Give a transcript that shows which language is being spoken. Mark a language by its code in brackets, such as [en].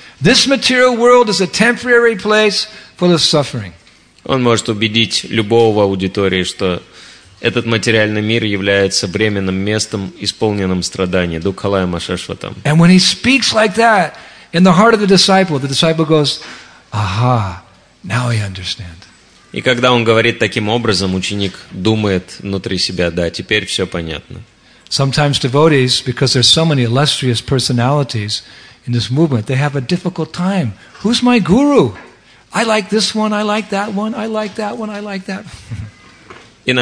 [en] This material world is a temporary place full of suffering. [ru] Он может убедить любого аудитории, что этот материальный мир является временным местом, исполненным страдания. [sa] Dukalayam ashashvatam. [en] And when he speaks like that in the heart of the disciple goes, aha, now I understand. [ru] И когда он говорит таким образом, ученик думает внутри себя, да, теперь все понятно. [en] Sometimes devotees, because there's so many illustrious personalities in this movement, they have a difficult time. Who's my guru? I like this one, I like that one, I like that one, I like that one.